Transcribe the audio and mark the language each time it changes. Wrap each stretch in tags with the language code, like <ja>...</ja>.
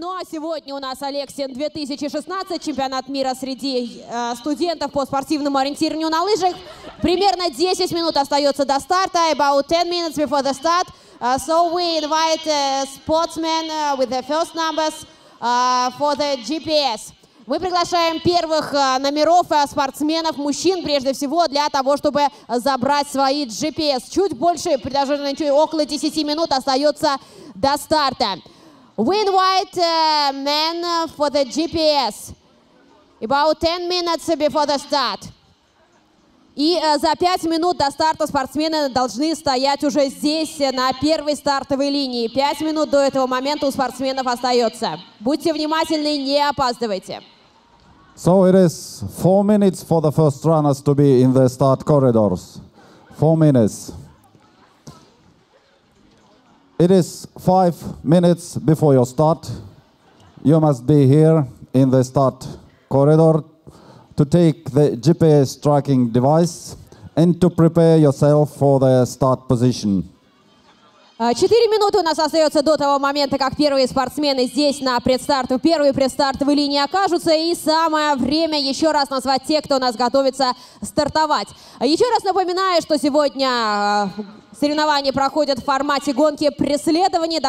<ru>сегодня у нас Алексин 2016, чемпионат мира среди студентов по спортивному ориентированию на лыжах. Примерно 10 минут остается до старта,</ru> <en>about 10 minutes before the start. So we invite sportsmen with the first numbers for the GPS.</en> <ru>Мы приглашаем первых номеров спортсменов, мужчин, прежде всего, для того, чтобы забрать свои GPS. Чуть больше, даже около 10 минут остается до старта. We invite men for the GPS. About 10 minutes before the start. И за 5 минут до старта спортсмены должны стоять уже здесь, на первой стартовой линии. 5 минут до этого момента у спортсменов остается. Будьте внимательны, не опаздывайте.</ru> <en>So it is 4 minutes for the first runners to be in the start corridors. 4 minutes. It is 5 minutes before your start. You must be here in the start corridor to take the GPS tracking device and to prepare yourself for the start position.</en> <ru>4 минуты у нас остается до того момента, как первые спортсмены здесь на предстартовой, первой предстартовой линии окажутся. И самое время еще раз назвать тех, кто у нас готовится стартовать. Еще раз напоминаю, что сегодня соревнования проходят в формате гонки преследования.</ru>